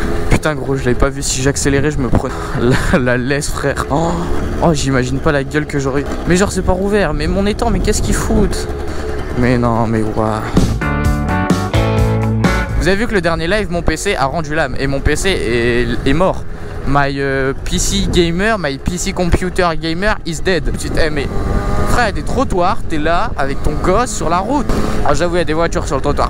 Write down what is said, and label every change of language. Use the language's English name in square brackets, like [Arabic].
[French] Putain, gros, je l'avais pas vu. Si j'accélérais, je me prenais. La laisse, frère. Oh, j'imagine pas la gueule que j'aurais. Mais genre, c'est pas rouvert. Mais mon étang, mais qu'est-ce qu'ils foutent? Mais non, mais ouah. Vous avez vu que le dernier live, mon PC a rendu l'âme. Et mon PC est mort. [English] My PC computer gamer is dead. [French] Mais frère, il y a des trottoirs, t'es là avec ton gosse sur la route. Ah, j'avoue, il y a des voitures sur le trottoir.